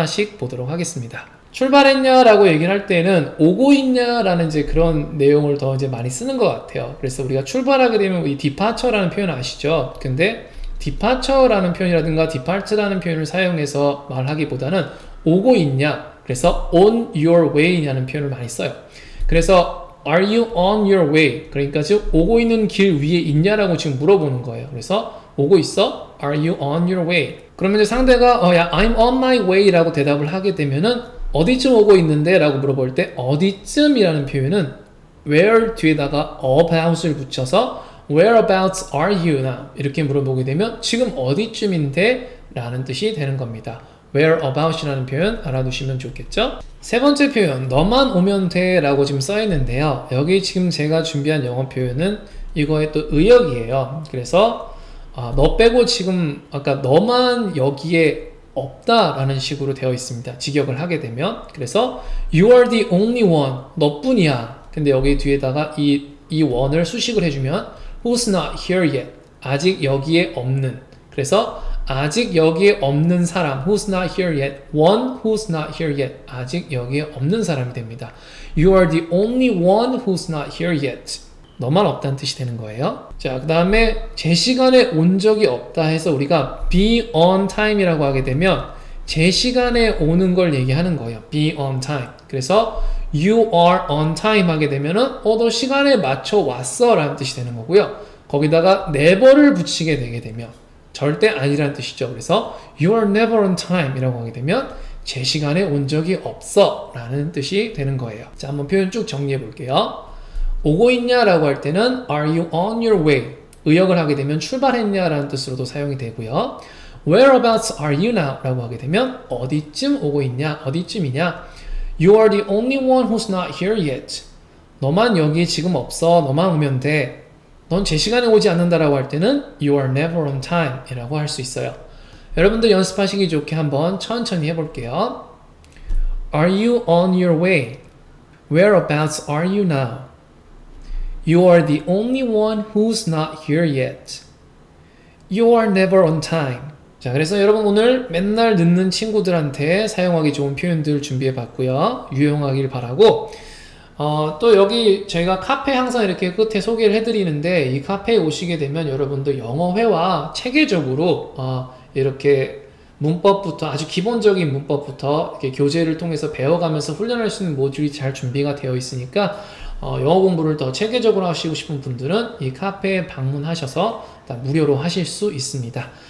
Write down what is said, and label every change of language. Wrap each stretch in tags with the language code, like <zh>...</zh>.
<ko>하나씩 보도록 하겠습니다. 출발했냐라고 얘기를 할 때는 오고 있냐라는 이제 그런 내용을 더 이제 많이 쓰는 것 같아요. 그래서 우리가 출발하게 되면 이 departure라는 표현 아시죠? 근데 departure라는 표현이라든가 departure라는 표현을 사용해서 말하기보다는 오고 있냐, 그래서 on your way냐는 표현을 많이 써요.</ko> <en>그래서 are you on your way?</en> <ko>그러니까 지금 오고 있는 길 위에 있냐라고 지금 물어보는 거예요.</ko> <en>그래서</en> <ko>오고 있어?</ko> <en>Are you on your way?</en> <ko>그러면 이제 상대가 야,</ko> <en>I'm on my way</en> <ko>라고 대답을 하게 되면은 어디쯤 오고 있는데? 라고 물어볼 때 어디쯤이라는 표현은 where 뒤에다가 about을 붙여서</ko> <en>whereabouts are you now?</en> <ko>이렇게 물어보게 되면 지금 어디쯤인데? 라는 뜻이 되는 겁니다. whereabouts이라는 표현 알아두시면 좋겠죠? 세 번째 표현, 너만 오면 돼 라고 지금 써 있는데요. 여기 지금 제가 준비한 영어 표현은 이거의 또 의역이에요. 그래서 너 빼고 지금 아까 너만 여기에 없다라는 식으로 되어 있습니다. 직역을 하게 되면.</ko> <en>그래서 you are the only one.</en> <ko>너뿐이야. 근데 여기 뒤에다가 이 one을 수식을 해주면</ko> <en>who's not here yet.</en> <ko>아직 여기에 없는. 그래서 아직 여기에 없는 사람.</ko> <en>who's not here yet. one who's not here yet.</en> <ko>아직 여기에 없는 사람이 됩니다.</ko> <en>you are the only one who's not here yet.</en> <ko>너만 없다는 뜻이 되는 거예요. 자, 그 다음에 제 시간에 온 적이 없다 해서 우리가 be on time이라고 하게 되면 제 시간에 오는 걸 얘기하는 거예요.</ko> <en>be on time.</en> <ko>그래서</ko> <en>you are on time</en> <ko>하게 되면은 너 시간에 맞춰 왔어 라는 뜻이 되는 거고요. 거기다가 never를 붙이게 되게 되면 절대 아니라는 뜻이죠. 그래서</ko> <en>you are never on time</en> <ko>이라고 하게 되면 제 시간에 온 적이 없어 라는 뜻이 되는 거예요. 자, 한번 표현 쭉 정리해 볼게요. 오고 있냐라고 할 때는</ko> <en>Are you on your way?</en> <ko>의역을 하게 되면 출발했냐라는 뜻으로도 사용이 되고요.</ko> <en>Whereabouts are you now?</en> <ko>라고 하게 되면 어디쯤 오고 있냐? 어디쯤이냐?</ko> <en>You are the only one who's not here yet.</en> <ko>너만 여기 지금 없어. 너만 오면 돼. 넌제 시간에 오지 않는다라고 할 때는</ko> <en>You are never on time.</en> <ko>이라고 할수 있어요. 여러분들 연습하시기 좋게 한번 천천히 해볼게요.</ko> <en>Are you on your way? Whereabouts are you now? You are the only one who's not here yet. You are never on time.</en> <ko>자, 그래서 여러분 오늘 맨날 늦는 친구들한테 사용하기 좋은 표현들 준비해 봤고요. 유용하길 바라고. 또 여기 저희가 카페 항상 이렇게 끝에 소개를 해 드리는데 이 카페에 오시게 되면 여러분도 영어 회화 체계적으로 이렇게 문법부터 아주 기본적인 문법부터 이렇게 교재를 통해서 배워가면서 훈련할 수 있는 모듈이 잘 준비가 되어 있으니까 영어 공부를 더 체계적으로 하시고 싶은 분들은 이 카페에 방문하셔서 무료로 하실 수 있습니다.</ko>